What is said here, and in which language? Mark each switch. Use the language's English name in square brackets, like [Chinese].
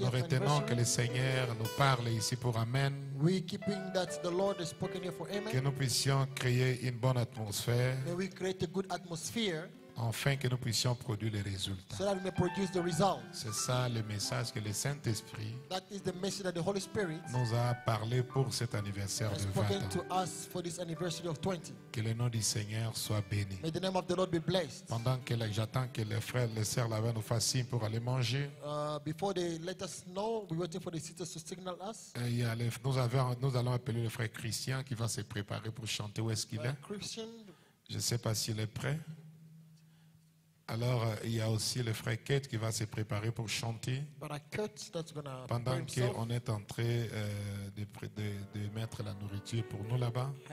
[French] nous retenons que le Seigneur nous parle ici pour amen. [English] We keeping that the Lord has spoken here for amen. [French] Que nous puissions créer une bonne atmosphère. [English] May we create a good atmosphere. [French] Enfin que nous puissions produire les résultats. [English] So that we may produce the results. [French] C'est ça le message que le Saint-Esprit [English] that is the message that the Holy Spirit [French] nous a parlé pour cet anniversaire de 20 ans. [English] To us for this anniversary of 20. [French] Que le nom du Seigneur soit béni. [English] May the name of the Lord be blessed. [French] Pendant que j'attends que les frères et les sœurs là-bas nous fassent pour aller manger. [English] Before they let us know, we're waiting for the sisters to signal us. [French] Nous allons appeler le frère Christian qui va se préparer pour chanter. Où est-ce qu'il est? Christian, je ne sais pas s'il est prêt. Alors, il y a aussi le frère Kate qui va se préparer pour chanter. Pendant qu'on est en train de mettre la nourriture pour nous là-bas.